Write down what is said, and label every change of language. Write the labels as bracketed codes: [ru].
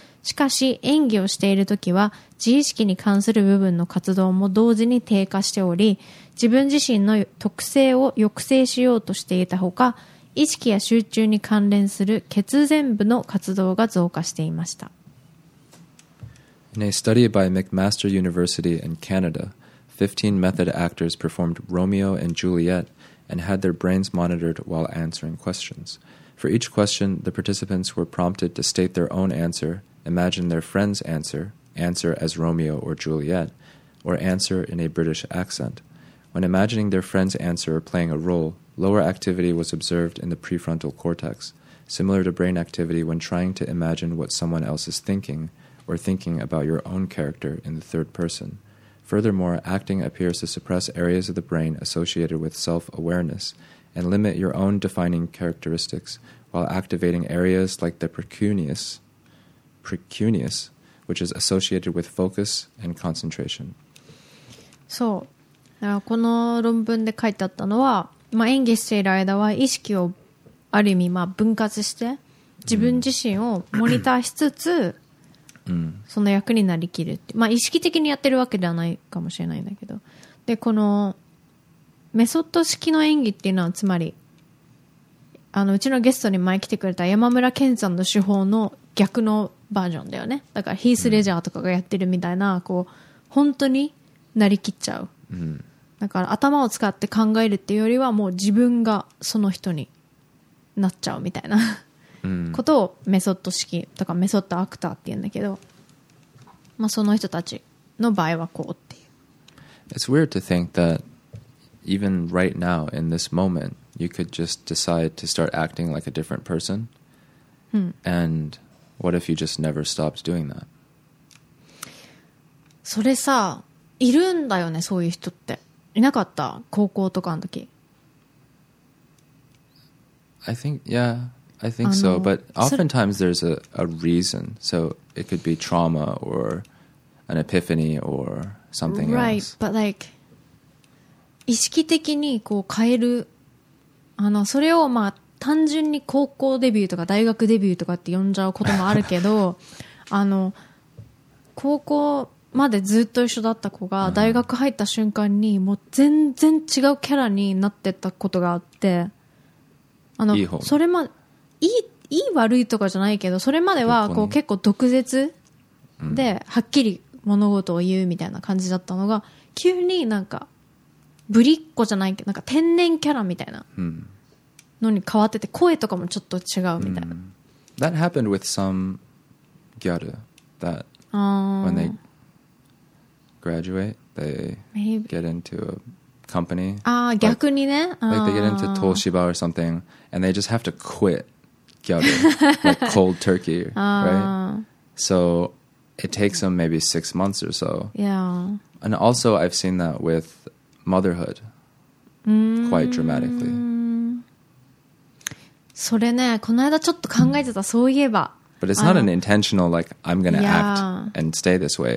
[ja] しかし演技をしているときは、自意識に関する部分の活動も同時に低下しており、自分自身の特性を抑制しようとしていたほか、意識や集中に関連する血前部の活動が増加していました。 [en] In a study by McMaster University in Canada, 15 method actors performed Romeo and Juliet and had their brains monitored while answering questions. For each question, the participants were prompted to state their own answer, imagine their friend's answer, answer as Romeo or Juliet, or answer in a British accent. When imagining their friend's answer or playing a role,Lower activity was observed in the prefrontal cortex, similar to brain activity when trying to imagine what someone else is thinking or thinking about your own character in the third person. Furthermore, acting appears to suppress areas of the brain associated with self-awareness and limit your own defining characteristics while activating areas like the precuneus, which is associated with focus and concentration. So, [ja] この論文で書いてあったのは、まあ、演技している間は意識をある意味まあ分割して自分自身をモニターしつつその役になりきるって、まあ、意識的にやってるわけではないかもしれないんだけど、でこのメソッド式の演技っていうのは、つまりあのうちのゲストに前来てくれた山村健さんの手法の逆のバージョンだよね。だからヒース・レジャーとかがやってるみたいな、こう本当になりきっちゃう、うん、だから頭を使って考えるっていうよりはもう自分がその人になっちゃうみたいな、うん、ことをメソッド式とかメソッドアクターって言うんだけど、まあ、その人たちの場合はこうっていう。 [en] It's weird to think that even right now in this moment you could just decide to start acting like a different person、 [ja] うん、 [en] and what if you just never stopped doing that? [ja] それさ、いるんだよね、そういう人って。いなかった？高校とかの時。 [en] I think, yeah, I think so. But oftentimes there's a reason. So it could be trauma or an epiphany or something else. Right, but like, [ja] 意識的にこう変える、あのそれをまあ単純に高校デビューとか大学デビューとかって呼んじゃうこともあるけど、あの高校までずっと一緒だった子が大学入った瞬間にもう全然違うキャラになってたことがあって、あのそれまいい悪いとかじゃないけど、それまではこう結構毒舌ではっきり物事を言うみたいな感じだったのが、急になんかぶりっ子じゃないけどなんか天然キャラみたいなのに変わってて、声とかもちょっと違うみたいな。 [en] That happened with some girl that when theygraduate, they get into a company. [ja] Ah, 逆にね。 [en] Like they get into Toshiba or something, and they just have to quit Gyaru, like cold turkey, right? So it takes them maybe 6 months or so. Yeah. And also I've seen that with motherhood, quite dramatically. [ja] それね、この間ちょっと考えてた、そういえば。 [en] But it's not an intentional, like, I'm going to act and stay this way.